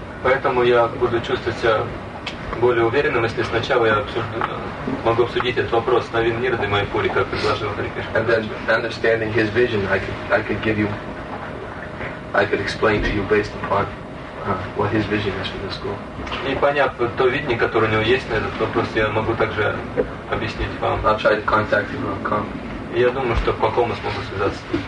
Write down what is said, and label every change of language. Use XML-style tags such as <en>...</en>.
<ru>Поэтому я буду чувствовать себя более уверенным, если сначала я могу обсудить этот вопрос с Навин Нирадой Майпури, как предложил Хари Кришна.</ru> <en>And then understanding his vision, I could explain to you based upon what his vision is for the school.</en> <ru>И поняв то видение, которое у него есть на этот вопрос, я могу также объяснить вам.</ru> <en>I'll try to contact him.</en> <ru>Я думаю, что по кому смогу связаться.</ru>